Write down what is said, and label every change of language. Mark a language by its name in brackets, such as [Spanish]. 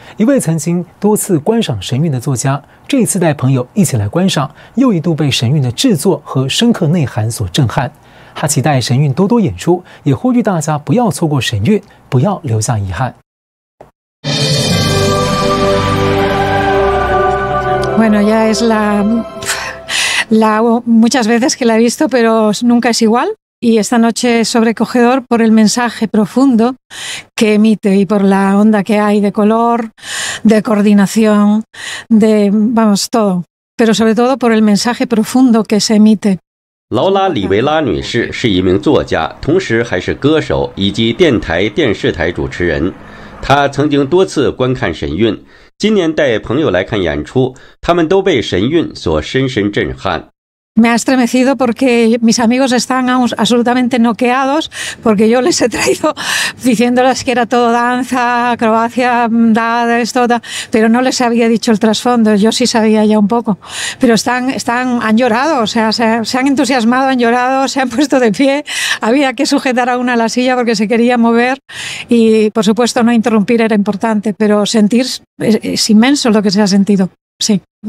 [Chinese] 一位曾经多次观赏神韵的作家，这一次带朋友一起来观赏，又一度被神韵的制作和深刻内涵所震撼。他期待神韵多多演出，也呼吁大家不要错过神韵，不要留下遗憾。 [Spanish] Bueno, ya es la muchas veces que la he visto, pero nunca es igual. Y esta noche es sobrecogedor por el mensaje profundo que emite y por la onda que hay de color, de coordinación, de, vamos, todo. Pero sobre todo por el mensaje profundo que se emite. [Chinese] Laura Rivera 女士是一名作家，同时还是歌手以及电台、电视台主持人。她曾经多次观看神韵，今年带朋友来看演出，他们都被神韵所深深震撼。 [Spanish] Me ha estremecido porque mis amigos están absolutamente noqueados porque yo les he traído diciéndoles que era todo danza, acrobacia, pero no les había dicho el trasfondo, yo sí sabía ya un poco. Pero han llorado, o sea, se han entusiasmado, han llorado, se han puesto de pie, había que sujetar a una a la silla porque se quería mover y por supuesto no interrumpir era importante, pero sentir es inmenso lo que se ha sentido, sí.